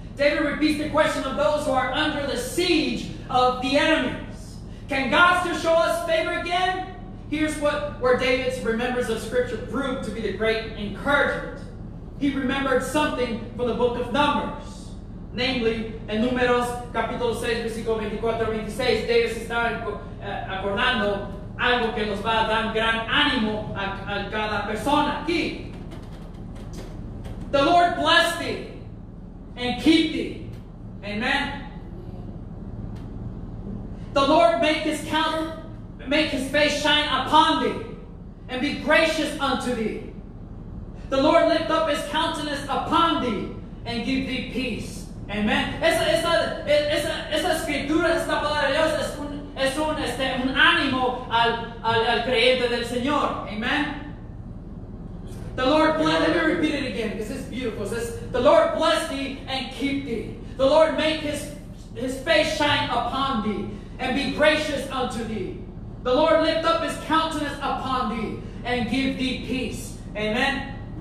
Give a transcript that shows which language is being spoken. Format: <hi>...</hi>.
<en>David repeats the question of those who are under the siege of the enemies. Can God still show us favor again? Here's what where David's remembrance of Scripture proved to be the great encouragement. He remembered something from the book of Numbers. Namely,</en> <es>en Números, capítulo 6, versículo 24, 26, David se está acordando algo que nos va a dar gran ánimo a cada persona aquí.</es> <en>The Lord bless thee and keep thee. Amen. The Lord make his countenance. Make his face shine upon thee and be gracious unto thee. The Lord lift up his countenance upon thee and give thee peace. Amen.</en> <es>Esa escritura, esta palabra de Dios es un ánimo al creyente del Señor.</es> <en>Amen. The Lord bless, let me repeat it again because it's beautiful. It says, the Lord bless thee and keep thee. The Lord make his face shine upon thee and be gracious unto thee. The Lord lift up his countenance upon thee and give thee peace. Amen.</en>